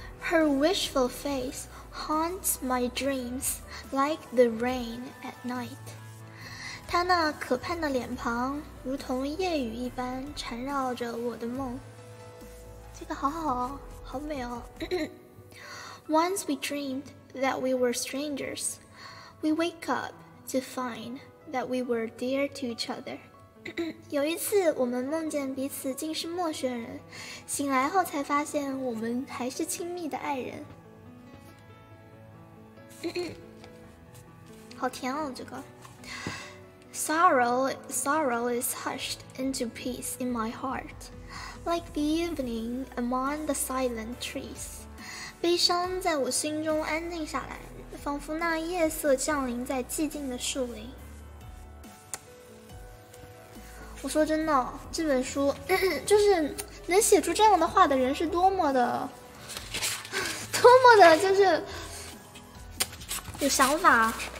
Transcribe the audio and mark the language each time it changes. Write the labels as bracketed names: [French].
[English] Her wishful face haunts my dreams like the rain at night. [Chinese] 她那可盼的脸庞如同夜雨一般缠绕着我的梦。这个好好哦，好美哦。 [English] Once we dreamed that we were strangers, we wake up to find that we were dear to each other. [Chinese] 有一次我们梦见彼此竟是陌生人，醒来后才发现我们还是亲密的爱人。好甜哦，这个。 [English] Sorrow is hushed into peace in my heart, like the evening among the silent trees. [Chinese] 悲伤在我心中安静下来，仿佛那夜色降临在寂静的树林。我说真的，这本书就是能写出这样的话的人是多么的就是有想法。